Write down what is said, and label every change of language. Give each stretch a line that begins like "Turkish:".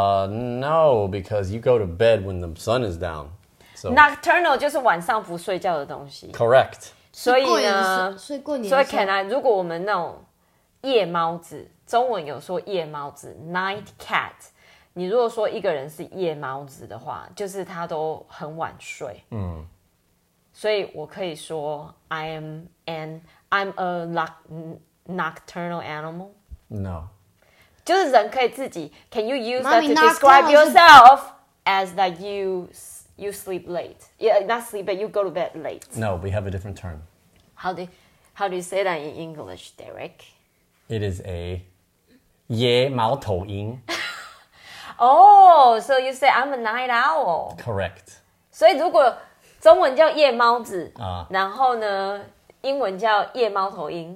English: No, because you go to bed when the sun is down. So.
Chinese: Nocturnal 就是晚上不睡觉的东西。
English: Correct.
Chinese: 所以呢，所以 如果我们那种夜猫子，中文有说夜猫子
English: night cat，
Chinese: 你如果说一个人是夜猫子的话，就是他都很晚睡。嗯。所以我可以说
English: I'm a nocturnal animal. No.
Chinese: 就是人可以自己
English: Can you use that to describe yourself as that you sleep late? Yeah, not sleep, but you go to bed late. No, we have a different term. How do you say that in English, Derek? It is a
Chinese: 夜猫头鹰
English: Oh, so you say I'm a night owl. Correct.
Chinese: 所以如果中文叫夜猫子然后呢英文叫夜猫头鹰